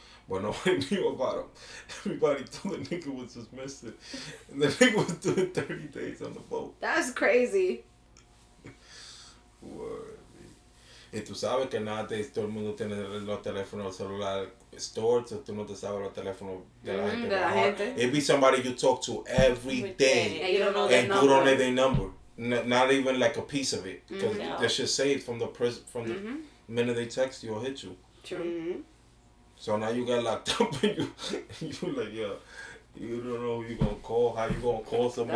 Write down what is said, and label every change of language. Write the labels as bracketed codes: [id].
[en] It was like a dude who was supposed to be driving, so he had to do 30 days on the boat. But nobody knew about him. Everybody told the nigga was just missing. And the nigga was doing 30 days on the boat. That's crazy. Word. [es] Y tú sabes que nowadays todo el mundo tiene los teléfonos celulares. [en] Store, so [es] tú no te sabes los teléfonos de la gente. [en] It'd be somebody you talk to every day. And you don't know their number. Not even like a piece of it. Because they should say it from the minute they text you or hit you. True. Mm-hmm. So now you got locked up and you like, yeah, you don't know who you're going to call, how you going to call somebody.